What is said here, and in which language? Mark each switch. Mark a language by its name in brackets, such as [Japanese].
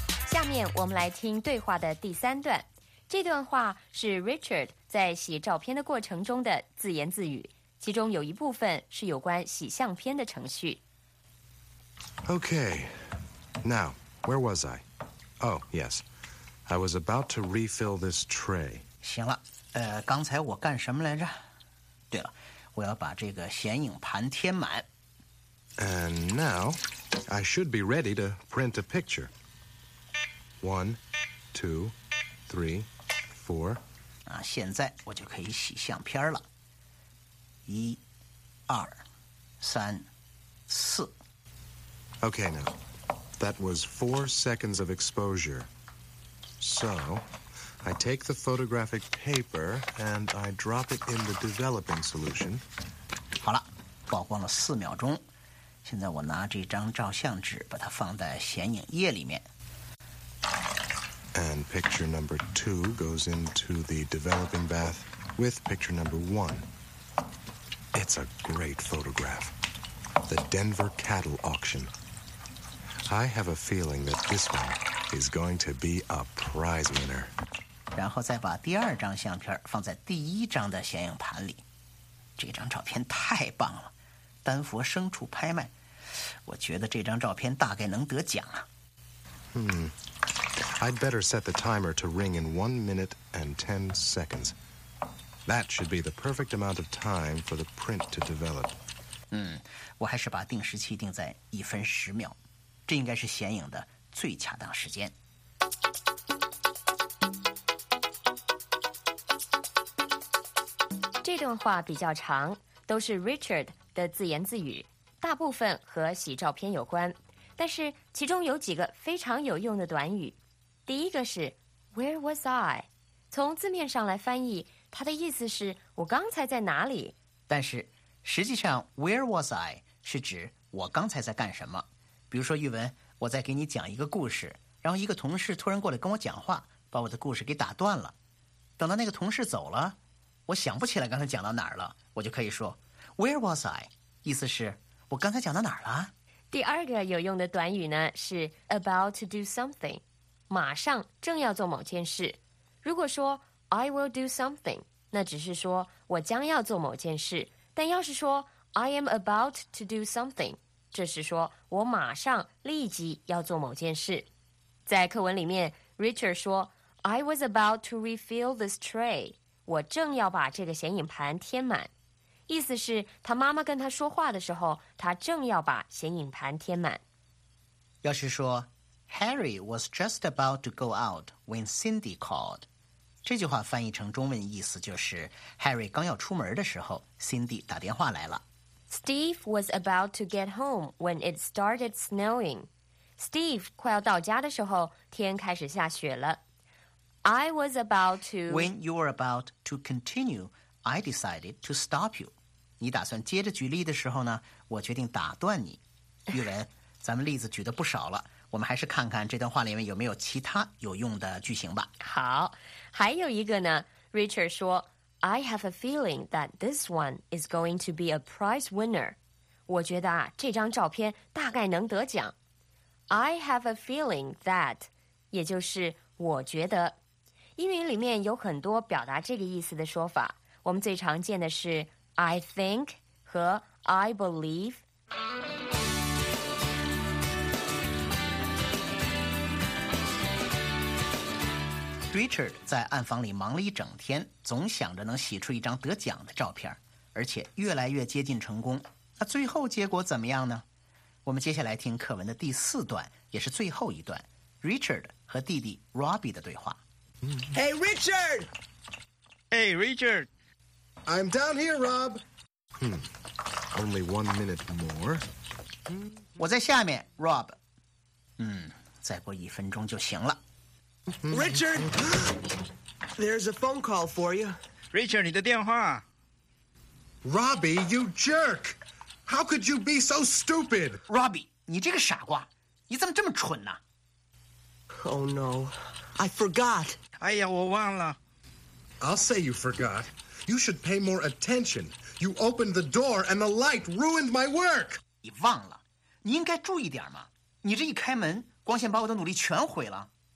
[Chinese] 下面面我们来听对话的第三段。这段话是 Richard 在洗照片的过程中的自言自语，其中有一部分是有关洗相片的程序。 [English] Okay, now, where was I? Oh, yes, I was about to refill this tray. [Chinese] 行了，刚才我干什么来着？对了，我要把这个显影盘填满。 [English] And now, I should be ready to print a picture. 1, 2, 3, 4. [Chinese] 啊，现在我就可以洗相片了。 [English] 1, 2, 3, 4. Okay, now, that was 4 seconds of exposure. So, I take the photographic paper and I drop it in the developing solution. [Chinese] 好了，曝光了4秒钟。现在我拿这张照相纸，把它放在显影液里面。 [English] And picture number 2 goes into the developing bath with picture number 1. It's a great photograph. The Denver cattle auction. I have a feeling that this one is going to be a prize winner. [Chinese] 然后再把第二张相片放在第一张的显影盘里。这张照片太棒了，丹佛牲畜拍卖。我觉得这张照片大概能得奖啊。 [English] I'd better set the timer to ring in 1 minute and 10 seconds. That should be the perfect amount of time for the print to develop. [Chinese] 我还是把定时器定在1分10秒，这应该是显影的最恰当时间。这段话比较长，都是 Richard 的自言自语，大部分和洗照片有关，但是其中有几个非常有用的短语。第一个是 [English] Where was I? [Chinese] 从字面上来翻译，它的意思是我刚才在哪里。但是实际上 [English] Where was I? [Chinese] 是指我刚才在干什么。比如说玉文，我在给你讲一个故事，然后一个同事突然过来跟我讲话，把我的故事给打断了。等到那个同事走了，我想不起来刚才讲到哪儿了，我就可以说 [English] Where was I? [Chinese] 意思是我刚才讲到哪儿了。第二个有用的短语呢是 [English] about to do something， [Chinese] 马上正要做某件事。如果说 [English] I will do something， [Chinese] 那只是说我将要做某件事，但要是说 [English] I am about to do something， [Chinese] 这是说我马上立即要做某件事。在课文里面 Richard 说 [English] I was about to refill this tray， [Chinese] 我正要把这个显影盘填满，意思是他妈妈跟他说话的时候，他正要把显影盘填满。要是说 [English] Harry was just about to go out when Cindy called， [Chinese] 这句话翻译成中文意思就是 Harry 刚要出门的时候 Cindy 打电话来了。 [English] Steve was about to get home when it started snowing， Steve [Chinese] 快要到家的时候天开始下雪了。 [English] I was about to when you were about to continueI decided to stop you. [Chinese] 你打算接着举例的时候呢，我决定打断你。玉文，咱们例子举得不少了，我们还是看看这段话里面有没有其他有用的句型吧。好，还有一个呢， Richard 说 [English] I have a feeling that this one is going to be a prize winner. [Chinese] 我觉得啊，这张照片大概能得奖。 [English] I have a feeling that， [Chinese] 也就是我觉得。英语里面有很多表达这个意思的说法，我们最常见的是 [English] I think [Chinese] 和 [English] I believe。 [Chinese] Richard 在暗房里忙了一整天，总想着能洗出一张得奖的照片，而且越来越接近成功。那最后结果怎么样呢？我们接下来听课文的第四段，也是最后一段， Richard 和弟弟 Robbie 的对话。 [English] Hey Richard! Hey Richard! I'm down here, Rob. Only 1 minute more. [Chinese] 我在下面 ，Rob。再过一分钟就行了。 [English] Richard, there's a phone call for you. [Chinese] Richard, 你的电话。 [English] Robbie, you jerk! How could you be so stupid? [Chinese] Robbie, 你这个傻瓜，你怎么这么蠢呢？ [English] Oh no, I forgot. [Chinese] 哎呀，我忘了。 [English] I'll say you forgot. You should pay more attention. You opened the door and the light ruined my work. [Chinese] 你忘了，你应该注意点嘛。你这一开门，光线把我的努力全毁了。